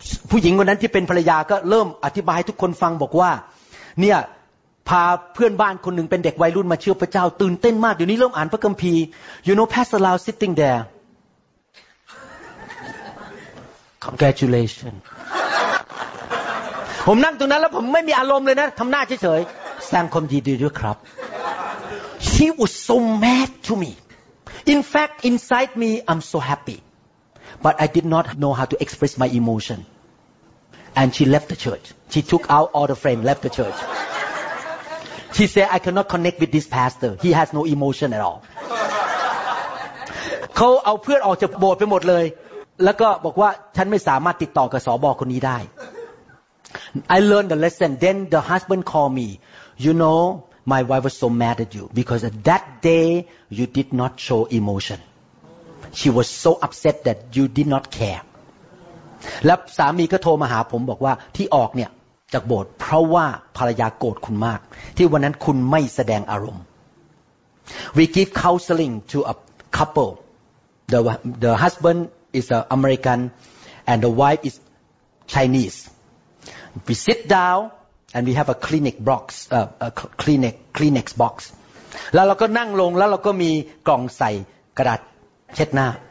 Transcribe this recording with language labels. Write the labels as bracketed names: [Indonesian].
[Thai] ผู้หญิงคนนั้นที่เป็นภรรยาก็เริ่มอธิบายทุกคนฟังบอกว่าเนี่ยพาเพื่อนบ้านคนหนึ่งเป็นเด็กวัยรุ่นมาเชื่อพระเจ้าตื่นเต้นมากเดี๋ยวนี้เริ่มอ่านพระคัมภีร์ [English] You know, Pastor Lau sitting there. Congratulations. [Thai] ผมนั่งตรงนั้นแล้วผมไม่มีอารมณ์เลยนะทำหน้าเฉย ๆแสดงความดีด้วยครับ [English] She was so mad to me. In fact, inside me, I'm so happy. But I did not know how to express my emotion. And she left the church. She took out all the frame, left the church. She said, I cannot connect with this pastor. He has no emotion at all. [Thai] เขาเอาเพื่อนออกจากโบสถ์ไปหมดเลยแล้วก็บอกว่าฉันไม่สามารถติดต่อกับสบคนนี้ได้ [English] I learned the lesson. Then the husband called me. You know,My wife was so mad at you because at that day you did not show emotion. She was so upset that you did not care. [Thai] แล้วสามีก็โทรมาหาผมบอกว่าที่ออกเนี่ยจากโบสถ์เพราะว่าภรรยาโกรธคุณมากที่วันนั้นคุณไม่แสดงอารมณ์ [English] We give counseling to a couple. The husband is an American and the wife is Chinese. We sit down and we have a clinic box a clinic Kleenex box [Thai] แล้วเราก็นั่งลงแล้วเราก็มีกล่องใส่กระดาษเช็ดหน้า